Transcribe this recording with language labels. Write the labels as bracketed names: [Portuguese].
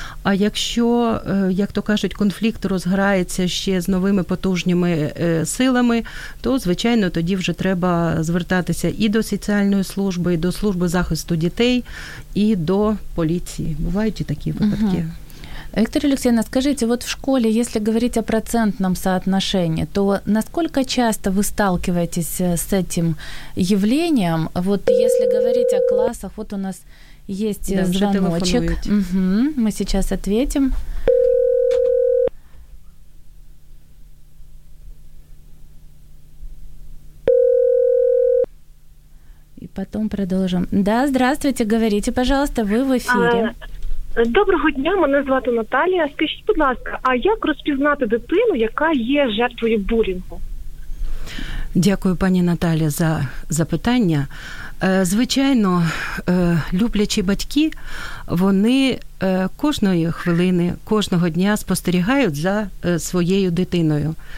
[Ukrainian] А якщо, як то кажуть, конфлікт розграється ще з новими потужними силами, то, звичайно, тоді вже треба звертатися і до соціальної служби, і до служби захисту дітей, і до поліції. Бувають і такі випадки. [Russian] Виктория Алексеевна, скажите, вот в школе, если говорить о процентном соотношении, то насколько часто вы сталкиваетесь с этим явлением? Вот если говорить о классах, вот у нас есть звоночек. Мы сейчас ответим. И потом продолжим. Да, здравствуйте, говорите, пожалуйста, вы в эфире. [Ukrainian] Доброго дня, мене звати Наталія. Скажіть, будь ласка, а як розпізнати дитину, яка є жертвою булінгу? Дякую, пані Наталія, за запитання. Звичайно, люблячі батьки, вони кожної хвилини, кожного дня спостерігають за своєю дитиною.